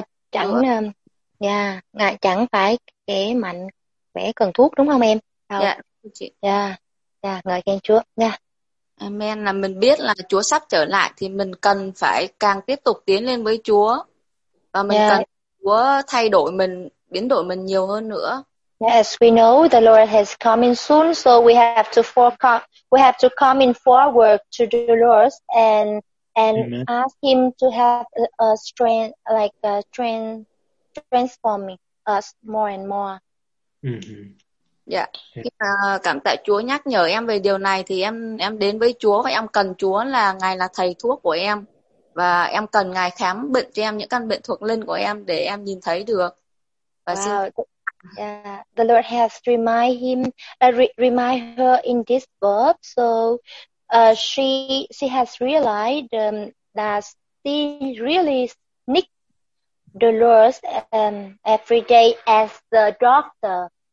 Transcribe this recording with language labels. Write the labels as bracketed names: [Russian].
[Vietnamese] Chẳng ngài chẳng phải kẻ mạnh khỏe cần thuốc đúng không em? Đâu. Yeah. Ngợi khen Chúa. Amen. Là mình biết là Chúa sắp trở lại thì mình cần phải càng tiếp tục tiến lên với Chúa. Và mình cần Chúa thay đổi mình, biến đổi mình nhiều hơn nữa. [English] Yes, we know the Lord has coming soon, so we have to come in forward to the Lord and Amen. Ask him to have a strength, like a strength, transforming us more and more. Yeah. [Vietnamese] Cảm tạ Chúa nhắc nhở em về điều này thì em đến với Chúa và em cần Chúa là Ngài là thầy thuốc của em và em cần Ngài khám bệnh cho em những căn bệnh thuộc linh của em để em nhìn thấy được. [English] Và the Lord has remind him remind her in this verb, so she has realized that she really need the Lord every day as the doctor.